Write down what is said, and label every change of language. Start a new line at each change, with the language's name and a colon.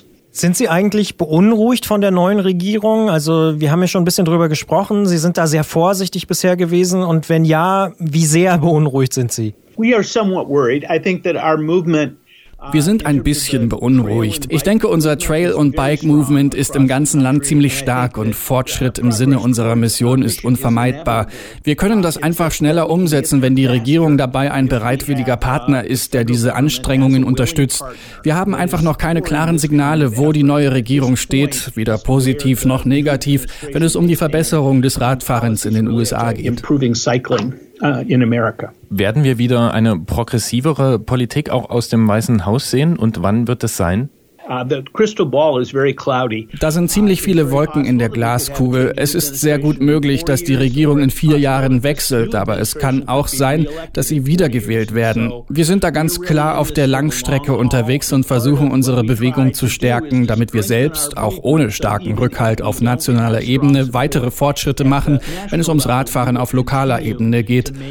German: Sind Sie eigentlich beunruhigt von der neuen Regierung? Also, wir haben ja schon ein bisschen drüber gesprochen. Sie sind da sehr vorsichtig bisher gewesen. Und wenn ja, wie sehr beunruhigt sind Sie?
English: We are somewhat worried. I think that our movement
German: Wir sind ein bisschen beunruhigt. Ich denke, unser Trail- und Bike-Movement ist im ganzen Land ziemlich stark und Fortschritt im Sinne unserer Mission ist unvermeidbar. Wir können das einfach schneller umsetzen, wenn die Regierung dabei ein bereitwilliger Partner ist, der diese Anstrengungen unterstützt. Wir haben einfach noch keine klaren Signale, wo die neue Regierung steht, weder positiv noch negativ, wenn es um die Verbesserung des Radfahrens in den USA geht.
English: In America.
German: Werden wir wieder eine progressivere Politik auch aus dem Weißen Haus sehen und wann wird das sein?
English: The crystal ball is very cloudy.
German: Da sind ziemlich viele Wolken in der Glaskugel. Es ist sehr gut möglich, dass die Regierung in 4 Jahren wechselt, aber es kann auch sein, dass sie wiedergewählt werden. Wir sind da ganz klar auf der Langstrecke unterwegs und versuchen, unsere Bewegung zu stärken, damit wir selbst, auch ohne starken Rückhalt auf nationaler Ebene, weitere Fortschritte machen, wenn es ums Radfahren auf lokaler Ebene geht.